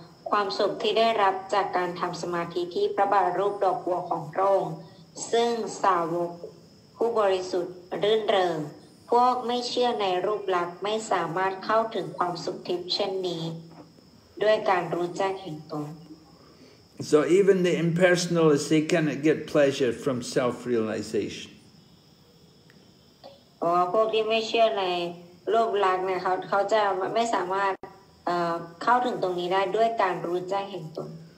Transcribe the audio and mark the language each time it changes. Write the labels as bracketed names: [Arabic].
[Thai] ความสุขที่ได้รับจากการทำสมาธิที่พระบาทรูปดอกบัวของพระองค์ซึ่งสาวกผู้บริสุทธิ์รื่นเริงพวกไม่เชื่อในรูปลักษณ์ไม่สามารถเข้าถึงความสุขทิพย์เช่นนี้ด้วยการรู้แจ้งแห่งตน [English] So even the impersonalists they cannot get pleasure from self-realization [Thai] พวกที่ไม่เชื่อในรูปลักษณ์เนี่ยเขาจะไม่สามารถเข้าถึงตรงนี้ได้ด้วยการรู้แจ้งแห่งตน